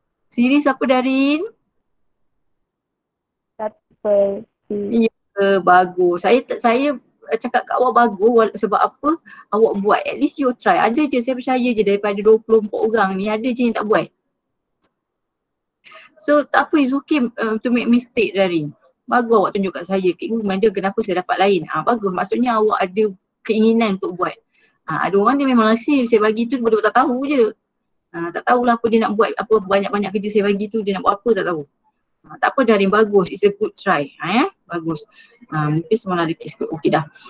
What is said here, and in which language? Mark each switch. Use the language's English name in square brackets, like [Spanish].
[Malay] Series apa Darin? Ya, bagus. Saya cakap kat awak bagus sebab apa awak buat. [English] At least you try. [Malay] Ada je, saya percaya je daripada 24 orang ni, ada je yang tak buat. So tak apa, [English] it's okay to make mistake [Malay] dari. Bagus awak tunjuk kat saya, cikgu mana kenapa saya dapat lain. Bagus, maksudnya awak ada keinginan untuk buat. Ada orang dia memang rasa saya bagi tu, dia tak tahu je. Tak tahulah apa dia nak buat, apa banyak-banyak kerja saya bagi tu, dia nak buat apa tak tahu. Tak apa Darin, bagus. [English] It's a good try. [Malay] Bagus. Mungkin semua ada case good. Okey dah.